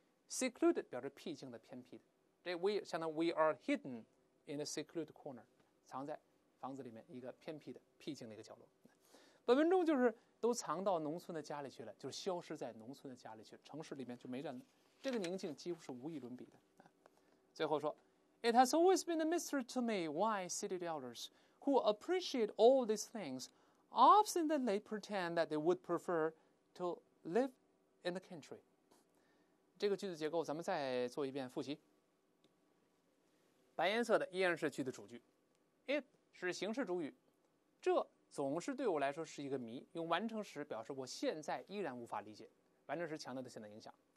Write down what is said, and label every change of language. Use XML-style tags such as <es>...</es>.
<zh>Secluded 表示僻静的偏僻的，这 we 相当于</zh> <en>we are hidden in a secluded corner，</en> <zh>藏在房子里面一个偏僻的僻静的一个角落。本文中就是都藏到农村的家里去了，就是消失在农村的家里去，城市里面就没人了，这个宁静几乎是无与伦比的。最后说</zh> <en>It has always been a mystery to me why city dwellers who appreciate all these things often they pretend that they would prefer to live in the country。</en> <zh>这个句子结构咱们再做一遍复习。白颜色的依然是句的主句， It 是形式主语，这总是对我来说是一个谜，用完成时表示我现在依然无法理解，完成时强调的现在影响。</zh>